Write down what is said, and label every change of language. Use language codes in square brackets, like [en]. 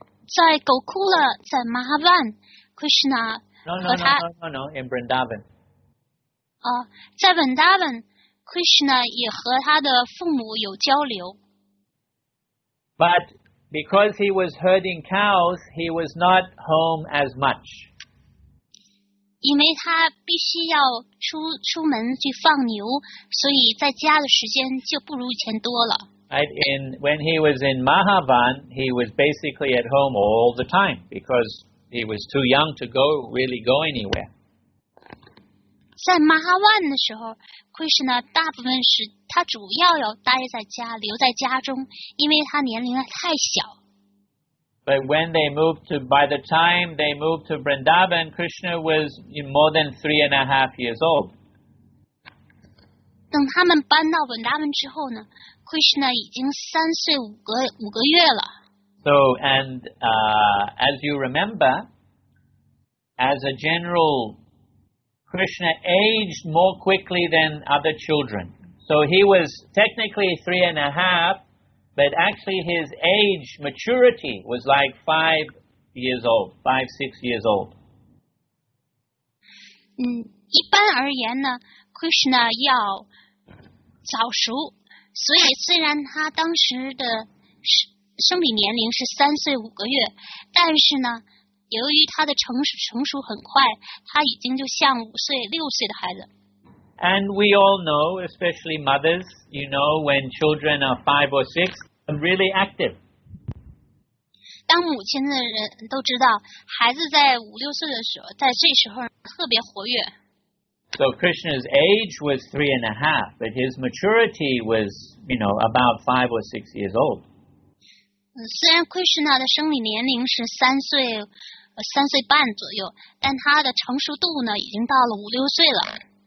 [zh] 在 Gokula, 在 Mahavan, Krishna 和他 [en] No, in Vrindavan. [zh] 在 Vrindavan, Krishna 也和他的父母有交流。 [en] But because he was herding cows, he was not home as much. [zh] 因为他必须要 出门去放牛，所以在家的时间就不如以前多了。 [en] Right, when he was in Mahavan, he was basically at home all the time because he was too young to really go anywhere. [zh] 在 Mahavan 的时候 ，Krishna 大部分时他主要要待在家，留在家中，因为他年龄太小。 [en] But when they moved to, by the time they moved to Vrindavan, Krishna was more than 3.5 years old. [zh] 等他们搬到 Vrindavan 之后呢 ，Krishna 已经3岁5个月了。 [en] So and as you remember, as a general, Krishna aged more quickly than other children. So he was technically 3.5. But actually his age, maturity, was like 5-6 years old. [zh] 一般而言呢 ,Krishna 要早熟，所以虽然他当时的生理年龄是3岁5个月，但是呢，由于他的成熟很快，他已经就像5岁6岁的孩子。 [en] And we all know, especially mothers, you know, when children are 5 or 6, really active. [zh] 当母亲的人都知道，孩子在5-6岁的时候，在这时候特别活跃。 [en] So Krishna's age was 3.5, but his maturity was, you know, about 5 or 6 years old. [zh] 虽然 Krishna 的生理年龄是三岁半左右，但他的成熟度呢，已经到了5-6岁了。